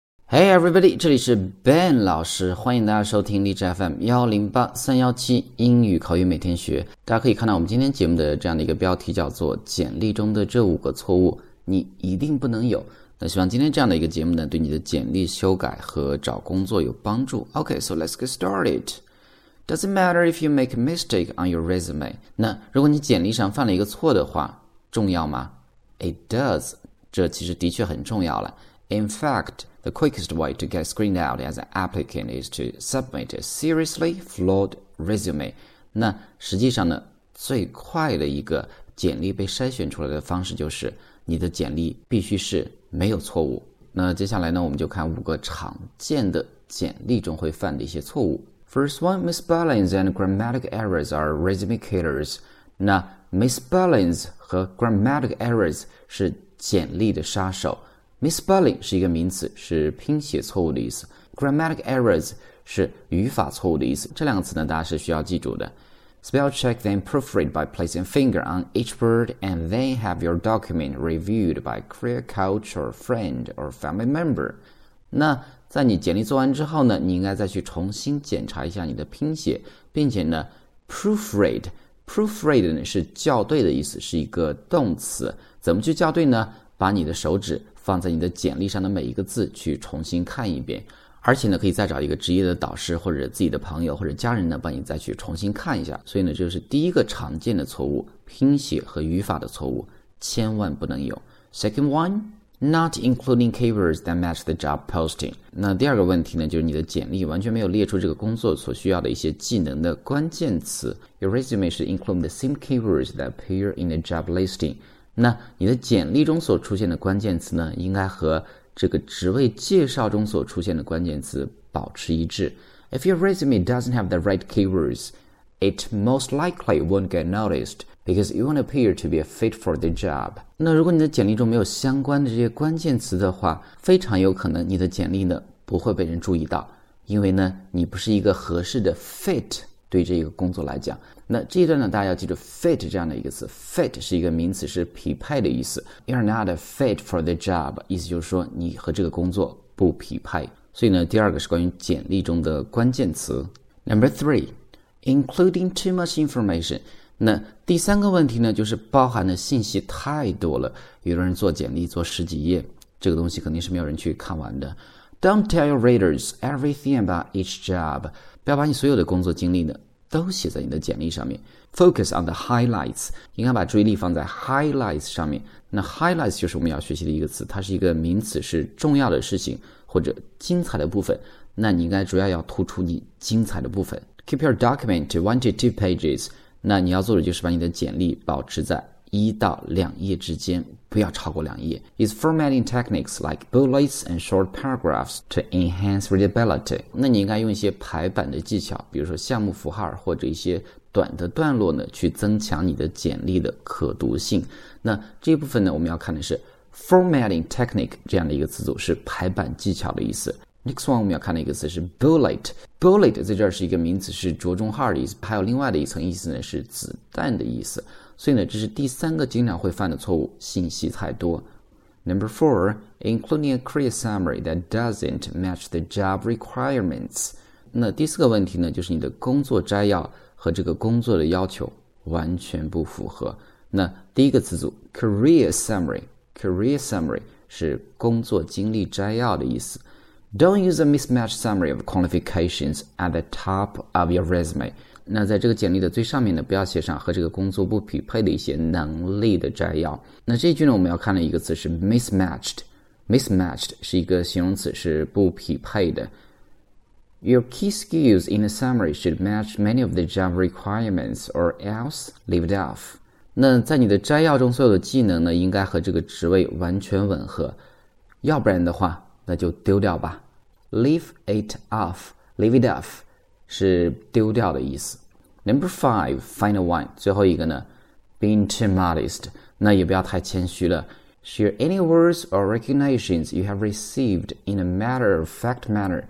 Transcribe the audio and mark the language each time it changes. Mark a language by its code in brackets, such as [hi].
[en] Hey everybody， [zh] 这里是 Ben 老师，欢迎大家收听荔枝 FM 108317英语口语每天学。大家可以看到我们今天节目的这样的一个标题叫做简历中的这五个错误你一定不能有。那希望今天这样的一个节目呢对你的简历修改和找工作有帮助。 [en] Okay, so let's get started. Doesn't matter if you make a mistake on your resume. [zh] 那如果你简历上犯了一个错的话重要吗？ [en] It does. [zh] 这其实的确很重要了。 [en] In fact, the quickest way to get screened out as an applicant is to submit a seriously flawed resume. [zh] 那实际上呢，最快的一个简历被筛选出来的方式就是你的简历必须是没有错误。那接下来呢，我们就看五个常见的简历中会犯的一些错误。 [en] First one, misspellings and grammatic errors are resume killers. [zh] 那 misspellings 和 grammatic errors 是简历的杀手。 Misspelling 是一个名词，是拼写错误的意思。Grammatic errors 是语法错误的意思。这两个词呢，大家是需要记住的。 [en] Spellcheck then proofread by placing finger on each word and then have your document reviewed by career coach or friend or family member. [zh] 那在你简历做完之后呢，你应该再去重新检查一下你的拼写，并且呢 proofread。 Proofread 呢是校对的意思，是一个动词。怎么去校对呢？把你的手指放在你的简历上的每一个字去重新看一遍，而且呢可以再找一个职业的导师或者自己的朋友或者家人呢帮你再去重新看一下。所以呢这就是第一个常见的错误，拼写和语法的错误千万不能有。 [en] Second one, not including keywords that match the job posting. [zh] 那第二个问题呢，就是你的简历完全没有列出这个工作所需要的一些技能的关键词。 [en] Your resume should include the same keywords that appear in the job listing. [zh] 那你的简历中所出现的关键词呢，应该和这个职位介绍中所出现的关键词保持一致。 [en] If your resume doesn't have the right keywords, it most likely won't get noticed because you won't appear to be a fit for the job. [zh] 那如果你的简历中没有相关的这些关键词的话，非常有可能你的简历呢不会被人注意到，因为呢你不是一个合适的 fit。对这一个工作来讲，那这一段呢，大家要记住 fit 这样的一个词。 fit 是一个名词，是匹配的意思。 [en] You're not a fit for the job [zh] 意思就是说你和这个工作不匹配。所以呢，第二个是关于简历中的关键词。 [en] Number three, including too much information. [zh] 那第三个问题呢，就是包含的信息太多了。有的人做简历做十几页，这个东西肯定是没有人去看完的。 [en] Don't tell your readers everything about each job. [zh] 不要把你所有的工作经历呢都写在你的简历上面。 [en] Focus on the highlights. [zh] 应该把注意力放在 highlights 上面。那 highlights 就是我们要学习的一个词，它是一个名词，是重要的事情或者精彩的部分。那你应该主要要突出你精彩的部分。 [en] Keep your document to 1 to 2 pages. [zh] 那你要做的就是把你的简历保持在1到2页之间，不要超过2页。 [en] Use formatting techniques like bullets and short paragraphs to enhance readability. [zh] 那你应该用一些排版的技巧，比如说项目符号或者一些短的段落呢，去增强你的简历的可读性。那这部分呢，我们要看的是 formatting technique 这样的一个词组，是排版技巧的意思。 [en] Next one [zh] 我们要看的一个词是 bullet。Bullet 在这儿是一个名词，是着重号的意思，还有另外的一层意思呢，是子弹的意思。所以呢，这是第三个经常会犯的错误，信息太多。 [en] Number four, including a career summary that doesn't match the job requirements. [zh] 那第四个问题呢，就是你的工作摘要和这个工作的要求完全不符合。那第一个词组 career summary, career summary 是工作经历摘要的意思。 [en] Don't use a mismatched summary of qualifications at the top of your resume. [zh] 那在这个简历的最上面呢，不要写上和这个工作不匹配的一些能力的摘要。那这一句呢，我们要看的一个词是 mismatched. Mismatched 是一个形容词，是不匹配的。 [en] Your key skills in the summary should match many of the job requirements or else leave it off. [zh] 那在你的摘要中所有的技能呢，应该和这个职位完全吻合，要不然的话那就丢掉吧。 Leave it off, leave it off 是丢掉的意思。 [en] Number five, final one, [zh] 最后一个呢， [en] Being too modest, [zh] 那也不要太谦虚了。 [en] Share any awards or recognitions you have received in a matter of fact manner.